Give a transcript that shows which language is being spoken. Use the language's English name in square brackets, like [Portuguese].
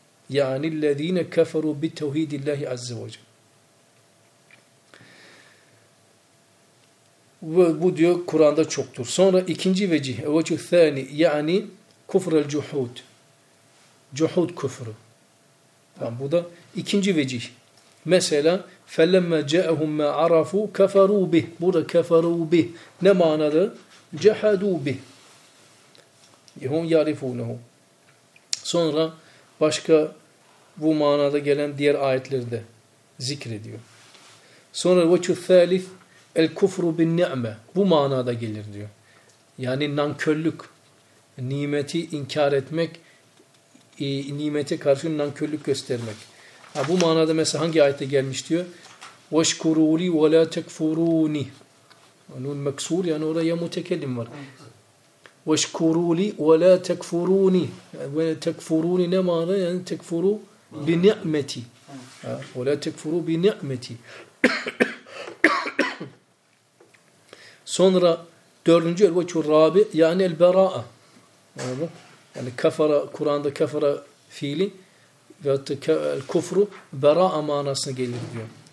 [Arabic] Yani الذين كفروا بتوحيد الله عز وجل. [Turkish] Ve bu diyor Kur'an'da çoktur. Sonra ikinci vecih, vecih thani, yani kufr el cuhud. Cuhud küfrü. Tamam, bu da ikinci vecih. Mesela [Arabic] felemme ca'ahum ma arafu keferu bih. [Turkish] Burada keferu bih ne manadır? [Arabic] Cehadu bih. Yehum yarifunehu. [Turkish] Sonra başka bu manada gelen diğer ayetlerde zikrediyor. Sonra vecih thalif el küfrü bin ni'me. Bu manada gelir diyor. Yani nankörlük. Nimeti inkar etmek, nimete karşı nankörlük göstermek. Ha, bu manada mesela hangi ayette gelmiş diyor. [Arabic] وَشْكُرُوا لِي وَلَا تَكْفُرُونِ [Turkish] Onun meksur yani orada ya mutekellim var. [Arabic] وَشْكُرُوا لِي وَلَا تَكْفُرُونِ وَتَكْفُرُونِ [Turkish] ne manada? Yani tekfuru [Arabic] بِنِعْمَةِ وَلَا تَكْفُرُوا بِنِعْمَةِ [Turkish] Sonra dördüncü el veçhu rabi yani el bera'a. Yani kafara, Kur'an'da kafara fiili veyahut da el kufru bera'a manasına gelir diyor.